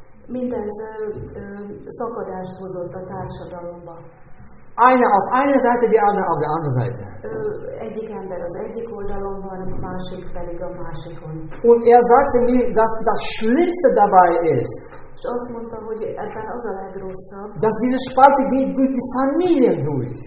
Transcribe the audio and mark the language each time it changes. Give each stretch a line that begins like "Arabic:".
Hungarian: Mindez szakadást hozott a társadalomba.
German: Eine auf einer Seite, die andere auf der anderen Seite.
Hungarian: Egyik ember az egyik oldalon van, másik pedig a másikon.
German: Und sagte mir, dass das Schlimmste dabei ist.
Hungarian: És azt mondta, hogy ebben az a legrosszabb.
German: Dass diese Spalte geht durch die Familien durch.